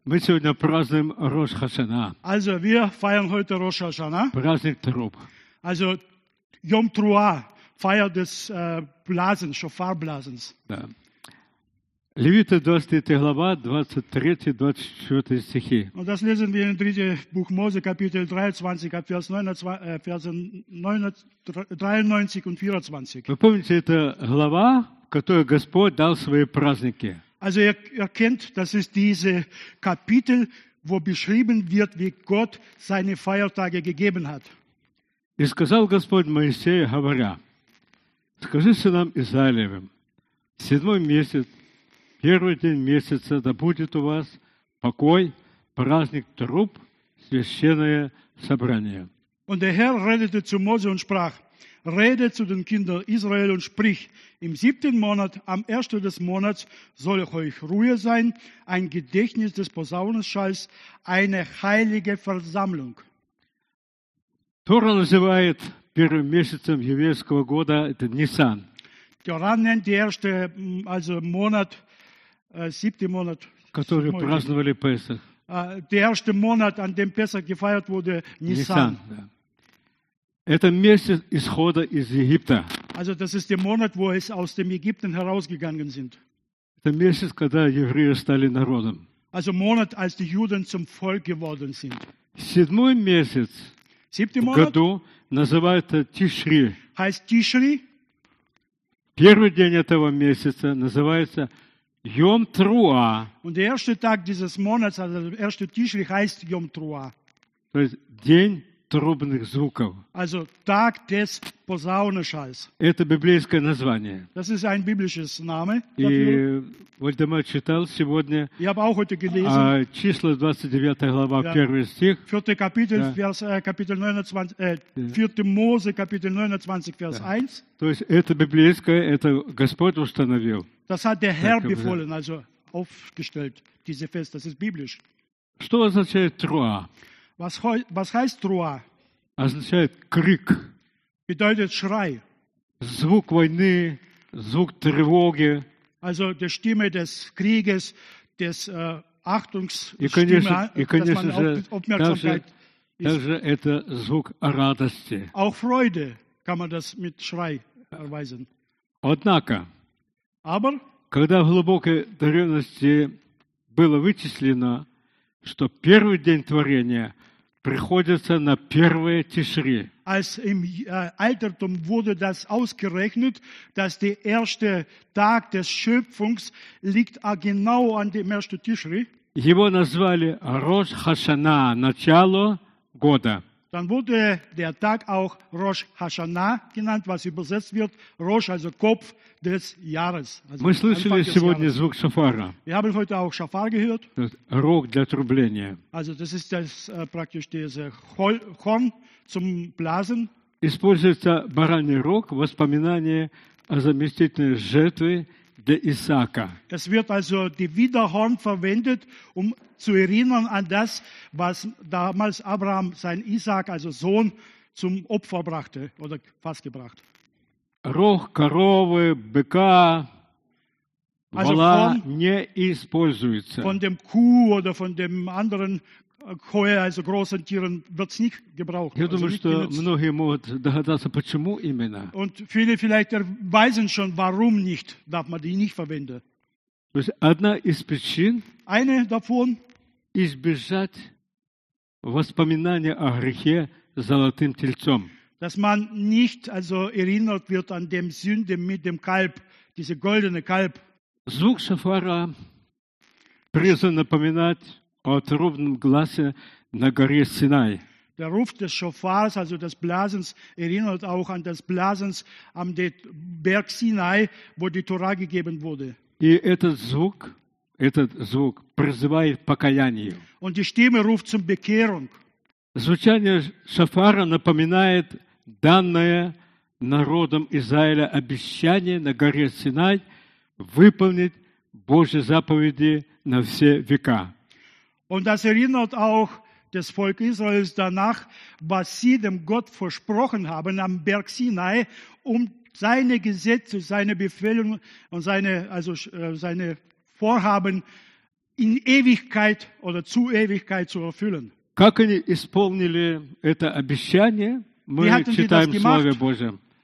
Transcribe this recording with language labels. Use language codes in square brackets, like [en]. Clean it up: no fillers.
[ru] Мы сегодня празднуем Рош Хашана. [de] Also, wir feiern heute Rosh Hashanah. [ru] Праздник труб. [de] Also, Йом Труа, feier des Blasen, Шофарблазенс. [ru] Да. Левиты 23 глава, 23-24 стихи. [de] Und das lesen wir in 3. Buch Mose, Kapitel 23, Vers 93 und 24. [ru] Вы помните, это глава, которую Господь дал свои праздники. [de] Also ihr erkennt, das ist diese Kapitel, wo beschrieben wird, wie Gott seine Feiertage gegeben hat. [ru] И сказал Господь Моисею, говоря, скажи сынам Израилевым, седьмой месяц, первый день месяца, да будет у вас покой, праздник труб, священное собрание. [de] Und der Herr redete zu Mose und sprach, rede zu den Kindern Israel und sprich, im siebten Monat, am ersten des Monats, soll euch Ruhe sein, ein Gedächtnis des Posaunenschalls, eine heilige Versammlung. [ru] Тора называет первым месяцем еврейского года это Нисан. [de] Коран nennt die erste, also Monat, siebte Monat, [ru] который праздновали Песах. [de] Der erste Monat, an dem Песах gefeiert wurde, Nisan. [ru] Это месяц исхода из Египта. [de] Also das ist der Monat, wo es aus dem Ägypten herausgegangen sind. [ru] Это месяц, когда евреи стали народом. [de] Also Monat, als die Juden zum Volk geworden sind. [ru] Седьмой месяц. [de] Siebte Monat. [ru] В году называется Тишри. [de] Heißt Тишри. [ru] Первый день этого месяца называется Йом Труа. [de] Und der erste Tag dieses Monats, also der erste Тишри, heißt Йом Труа. [ru] То есть день трубных звуков. [de] Also Tag des Posaunenschalls. [ru] Это библейское название. [de] Das ist ein biblisches Name. [ru] И Вальдемар читал сегодня. [de] Ich habe auch heute gelesen. [ru] Числа 29 глава, первый стих. [de] Vierte Kapitel, Vers, Kapitel 29, vierte Mose, Kapitel 29, Vers 1. [ru] То есть это библейское, это Господь установил. [de] Das hat der Herr befohlen, also aufgestellt, diese Fest, das ist biblisch. [ru] Что означает Труа? [de] Was heißt Труа? [ru] Означает крик. [de] Bedeutet Schrei. [ru] Звук войны, звук тревоги. [de] Also die Stimme des Krieges, des Achtungsstimme, [ru] конечно, [de] dass man Aufmerksamkeit [ru] также это звук радости. [de] Auch Freude kann man das mit Schrei erweisen. [ru] Однако, [de] aber, [ru] когда в глубокой древности было вычислено, что первый день творения приходится на первое Тишри. [de] Als im Altertum wurde das ausgerechnet, dass der erste Tag des Schöpfungs liegt genau an dem ersten Тишри. [ru] Его назвали Рош Хашана, начало года. [de] Dann wurde der Tag auch Рош Хашана genannt, was übersetzt wird Рош, also Kopf des Jahres. Also [ru] мы слышали сегодня звук шафара. [de] Wir haben heute auch Schafar gehört. [ru] Рог для трубления. [de] Also das ist das praktisch diese Horn zum Blasen. [ru] Используется бараний рог в воспоминании о заместительной жертве для Исаака. [de] Es wird also die Widerhorn verwendet, um zu erinnern an das, was damals Abraham sein Isaac, also Sohn, zum Opfer brachte oder fast gebracht. [ru] Рог, коровы, быка, [de] also [ru] вола не используется. [de] Von dem Kuh oder von dem anderen Koe, also großen Tieren, wird es nicht gebraucht. [ru] Я думаю, [de] also nicht [ru] что [de] genutzt. [ru] Многие могут догадаться, почему именно. [de] Und viele vielleicht erweisen schon, warum nicht, darf man die nicht verwenden. [ru] То есть одна из причин [de] eine davon, [ru] избежать воспоминания о грехе золотым тельцом. [de] Dass man nicht also erinnert wird an dem Sünde mit dem Kalb, diese goldene Kalb. [ru] Звук шафара призван напоминать о трубном гласе на горе Синай. [de] Der Ruf des Schofars, also des Blasens, erinnert auch an das Blasens am Berg Sinai, wo die Tora gegeben wurde. [ru] И этот звук призывает к покаянию. [de] Und die Stimme ruft zum Bekehrung. [ru] Звучание шафара напоминает данное народом Израиля обещание на горе Синай выполнить Божьи заповеди на все века. [de] Und das erinnert auch das Volk Israels danach, was sie dem Gott versprochen haben am Berg Sinai, um seine Gesetze, seine Befehlungen und seine Vorhaben in Ewigkeit oder zu Ewigkeit zu erfüllen. [ru] Как они исполнили это обещание, мы читаем в Слове Божьем.